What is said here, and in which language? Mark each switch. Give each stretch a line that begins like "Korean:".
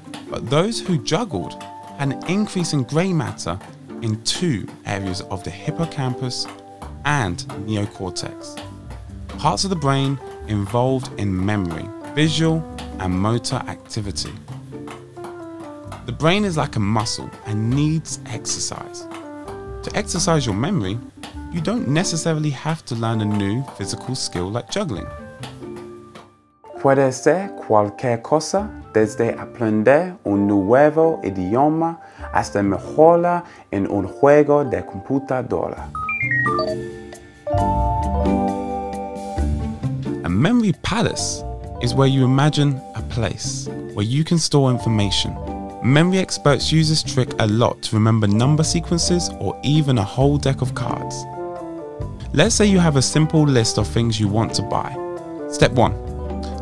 English: But those who juggled had an increase in grey matter in two areas of the hippocampus and neocortex, parts of the brain involved in memory, visual and motor activity. The brain is like a muscle and needs exercise. To exercise your memory, you don't necessarily have to learn a new physical skill like juggling.
Spanish: Puede ser cualquier cosa, desde aprender un nuevo idioma hasta mejorar en un juego de computadora.
English: A memory palace is where you imagine a place where you can store information. Memory experts use this trick a lot to remember number sequences or even a whole deck of cards. Let's say you have a simple list of things you want to buy. Step 1.